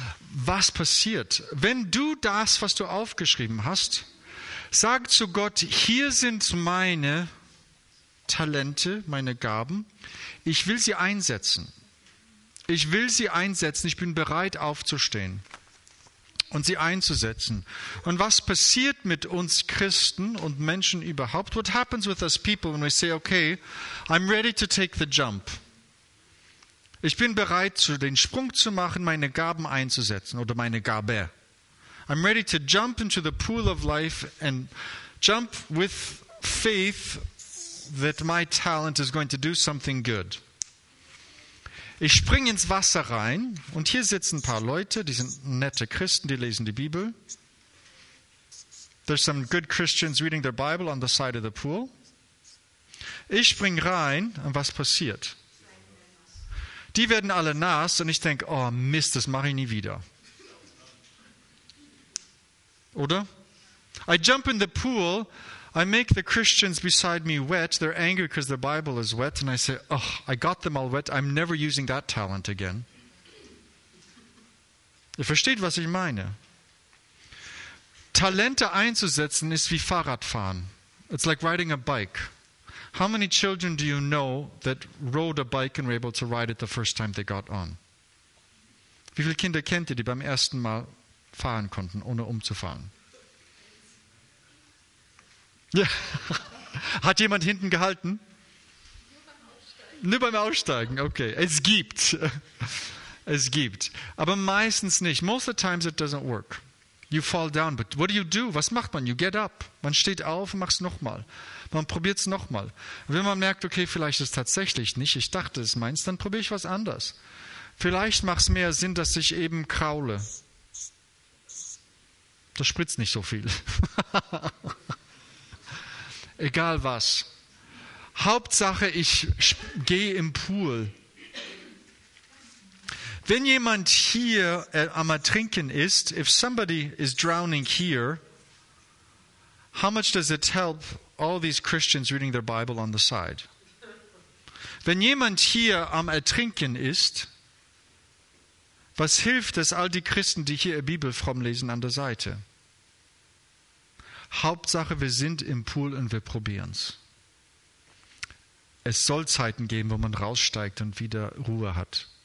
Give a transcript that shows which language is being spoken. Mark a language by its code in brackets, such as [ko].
[de] Was passiert? Wenn du das, was du aufgeschrieben hast, sag zu Gott, hier sind meine Talente, meine Gaben, ich will sie einsetzen, ich bin bereit aufzustehen und sie einzusetzen. Und was passiert mit uns Christen und Menschen überhaupt? [en] What happens with us people when we say, okay, I'm ready to take the jump? [de] Ich bin bereit, den Sprung zu machen, meine Gaben einzusetzen oder meine Gabe. [en] I'm ready to jump into the pool of life and jump with faith that my talent is going to do something good. [de] Ich springe ins Wasser rein und hier sitzen ein paar Leute, die sind nette Christen, die lesen die Bibel. [en] There's some good Christians reading their Bible on the side of the pool. [de] Ich springe rein und was passiert? Die werden alle nass und ich denke, oh Mist, das mache ich nie wieder. Oder? [en] I jump in the pool, I make the Christians beside me wet, they're angry because their Bible is wet, and I say, oh, I got them all wet, I'm never using that talent again. [de] Ihr versteht, was ich meine. Talente einzusetzen ist wie Fahrradfahren. [en] It's like riding a bike. How many children do you know that rode a bike and were able to ride it the first time they got on? [de] Wie viele Kinder kennt ihr, die beim ersten Mal fahren konnten, ohne umzufallen? Ja. Hat jemand hinten gehalten? Nur beim Aussteigen. Okay. Es gibt. Aber meistens nicht. [en] Most of the times it doesn't work. You fall down, but what do? [de] Was macht man? [en] You get up. [de] Man steht auf und macht es nochmal. Man probiert es nochmal. Wenn man merkt, okay, vielleicht ist es tatsächlich nicht, ich dachte, es ist meins, dann probiere ich was anderes. Vielleicht macht es mehr Sinn, dass ich eben kraule. Das spritzt nicht so viel. Egal was. Hauptsache, ich gehe im Pool. Wenn jemand hier am Ertrinken ist, [en] if somebody is drowning here, how much does it help all these Christians reading their Bible on the side? [de] Wenn jemand hier am Ertrinken ist, was hilft es all die Christen, die hier ihre Bibel fromm lesen, an der Seite? Hauptsache, wir sind im Pool und wir probieren es. Es soll Zeiten geben, wo man raussteigt und wieder Ruhe hat.